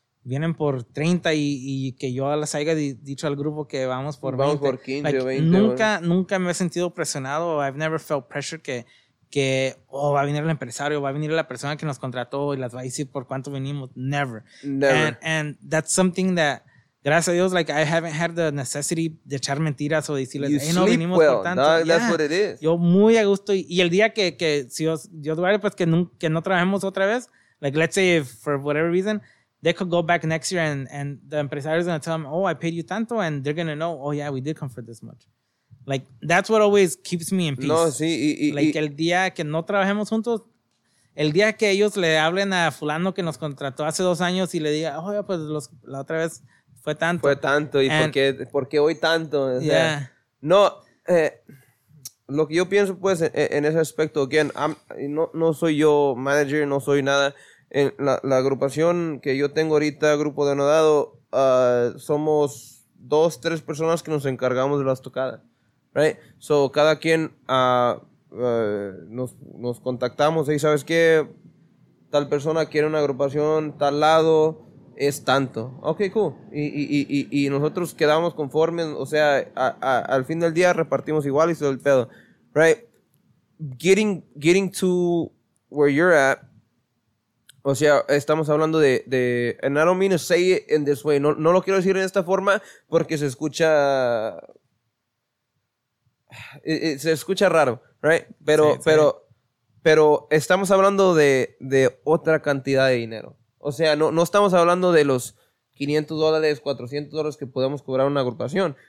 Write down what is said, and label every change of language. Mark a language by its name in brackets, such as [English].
[Spanish] Vienen por 30 y que yo les haya dicho al grupo que vamos por 20. Vamos por 15 [English] like, 20. [Spanish] Nunca me he sentido presionado. [English] I've never felt pressure [Spanish] que va a venir el empresario, va a venir la persona que nos contrató y las va a decir por cuánto venimos. [English] Never. And that's something that, [Spanish] gracias a Dios, [English] like, I haven't had the necessity [Spanish] de echar mentiras o decirles, [English] you hey, [Spanish] no venimos [English] well. [Spanish] Por tanto. [English] No, that's what it is. [Spanish] Yo muy a gusto. Y el día que si Dios guarde, pues que no trabajemos otra vez, [English] like, let's say if for whatever reason, they could go back next year and the empresario is going to tell them, oh, I paid you tanto, and they're going to know, oh, yeah, we did come for this much. Like, that's what always keeps me in peace. [Spanish] No, sí. Y, el día que no trabajemos juntos, el día que ellos le hablen a fulano que nos contrató hace 2 años y le diga, [English] oh, yeah, [Spanish] pues la otra vez fue tanto. Fue tanto. ¿Y por qué hoy tanto? O sea, [English] yeah. [Spanish] No, lo que yo pienso, pues, en ese aspecto, again, no soy yo manager, no soy nada. En la agrupación que yo tengo ahorita, Grupo Denodado, somos 2-3 personas que nos encargamos de las tocadas. [English] Right? [Spanish] So, cada quien nos contactamos. Y ¿sabes qué? Tal persona quiere una agrupación, tal lado, es tanto. [English] Ok, cool. [Spanish] Y nosotros quedamos conformes. O sea, al fin del día repartimos igual y se da el pedo. [English] Right? Getting to where you're at, [Spanish] o sea, estamos hablando de [English] and I don't mean to say it in this way. [Spanish] No lo quiero decir en esta forma porque se escucha... se escucha raro, [English] right? [Spanish] Pero, sí, sí. pero estamos hablando de otra cantidad de dinero. O sea, no estamos hablando de los $500, $400 que podemos cobrar una agrupación.